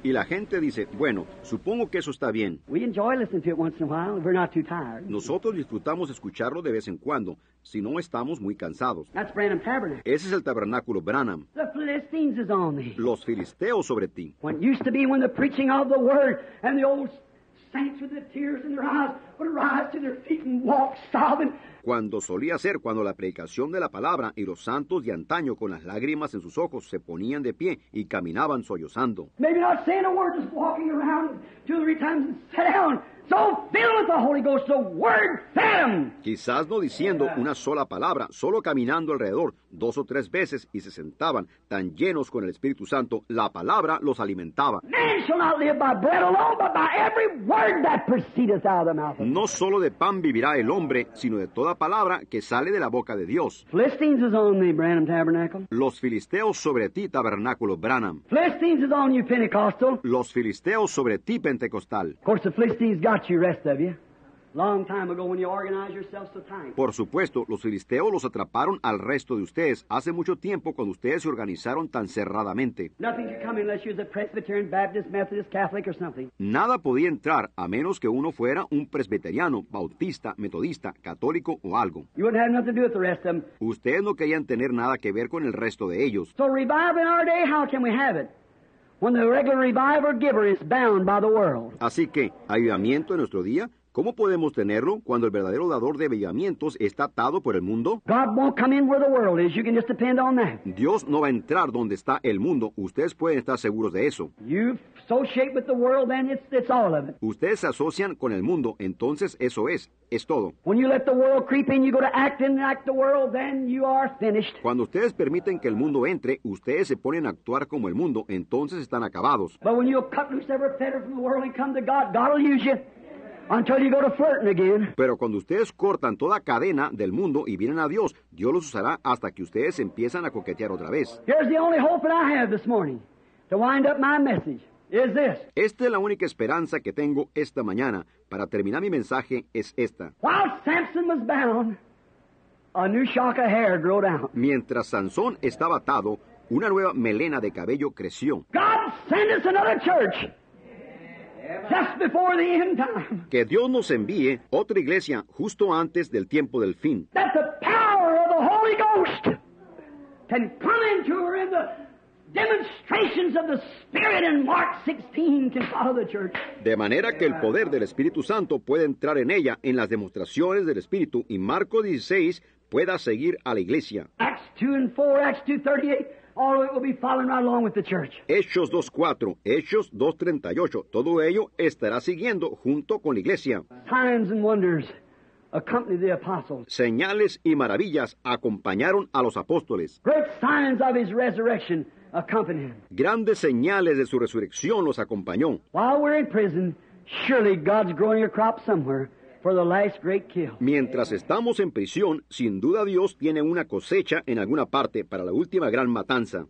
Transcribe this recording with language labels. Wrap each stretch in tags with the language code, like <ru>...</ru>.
<es>Y la gente dice, bueno, supongo que eso está bien.</es> <en>We enjoy listening to it once in a while if we're not too tired.</en> <es>Nosotros disfrutamos escucharlo de vez en cuando si no estamos muy cansados.</es> <en>That's Branham Tabernacle.</en> <es>Ese es el tabernáculo Branham.</es> <en>The Philistines.</en> <es>Los filisteos sobre ti.</es> <en>What used to be when the preaching of the word and the old saints with the tears in their eyes would rise to their feet and walk sobbing.</en> <es>Cuando solía ser cuando la predicación de la palabra y los santos de antaño con las lágrimas en sus ojos se ponían de pie y caminaban sollozando.</es> <en>Maybe not saying a word, just walking around two or three times and sat down. So filled with the Holy Ghost, the word fed him.</en> <es>Quizás no diciendo una sola palabra, solo caminando alrededor dos o tres veces y se sentaban tan llenos con el Espíritu Santo, la palabra los alimentaba.</es> <en>Man shall not live by bread alone, but by every word that proceedeth out of the mouth.</en> <es>No solo de pan vivirá el hombre, sino de toda palabra que sale de la boca de Dios.</es> <en>Philistines is on thee, Branham Tabernacle.</en> <es>Los filisteos sobre ti, tabernáculo Branham.</es> <en>Philistines is on you, Pentecostal.</en> <es>Los filisteos sobre ti, Pentecostal.</es> <en>Of course, the Philistines got you, rest of you. Long time ago when you organized yourself so tight.</en> <es>Por supuesto, los filisteos los atraparon al resto de ustedes hace mucho tiempo cuando ustedes se organizaron tan cerradamente.</es> <en>Nothing could come unless you're a Presbyterian, Baptist, Methodist, Catholic or something.</en> <es>Nada podía entrar a menos que uno fuera un presbiteriano, bautista, metodista, católico o algo.</es> <en>You wouldn't have nothing to do with the rest of them.</en> <es>Ustedes no querían tener nada que ver con el resto de ellos.</es> <en>So revival in our day, how can we have it? When the regular revival giver is bound by the world.</en> <es>Así que, ¿avivamiento en nuestro día? ¿Cómo podemos tenerlo cuando el verdadero dador de avivamientos está atado por el mundo?</es> <en>God won't come in where the world is. You can just depend on that.</en> <es>Dios no va a entrar donde está el mundo. Ustedes pueden estar seguros de eso.</es> <en>You've associated with the world, then it's all of it.</en> <es>Ustedes se asocian con el mundo, entonces eso es todo.</es> <en>When you let the world creep in, you go to act and act the world, then you are finished.</en> <es>Cuando ustedes permiten que el mundo entre, ustedes se ponen a actuar como el mundo, entonces están acabados.</es> <en>But when you cut loose every fetter from the world and come to God, God will use you. Until you go to flirting again.</en> <es>Pero cuando ustedes cortan toda cadena del mundo y vienen a Dios, Dios los usará hasta que ustedes empiezan a coquetear otra vez.</es> <en>Here's the only hope that I have this morning to wind up my message is this.</en> <es>Esta es la única esperanza que tengo esta mañana para terminar mi mensaje es esta.</es> <en>While Samson was bound, a new shock of hair grew out.</en> <es>Mientras Sansón estaba atado, una nueva melena de cabello creció.</es> <en>God send us another church. Just before the end time.</en> <es>Que Dios nos envíe otra iglesia justo antes del tiempo del fin.</es> <en>That the power of the Holy Ghost can come into her in the demonstrations of the Spirit in Mark 16 can follow the church.</en> <es>De manera que el poder del Espíritu Santo pueda entrar en ella en las demostraciones del Espíritu y Marco 16 pueda seguir a la iglesia.</es> <en>Acts 2 and 4, Acts 2:38. All of it will be following right along with the church.</en> <es>Hechos 2:4, Hechos 2:38. Todo ello estará siguiendo junto con la iglesia.</es> <en>Signs and wonders accompany the apostles.</en> <es>Señales y maravillas acompañaron a los apóstoles.</es> <en>Great signs of his resurrection accompany him.</en> <es>Grandes señales de su resurrección los acompañó.</es> <en>While we're in prison, surely God's growing a crop somewhere. For the last great kill.</en> <es>Mientras estamos en prisión, sin duda Dios tiene una cosecha en alguna parte para la última gran matanza.</es>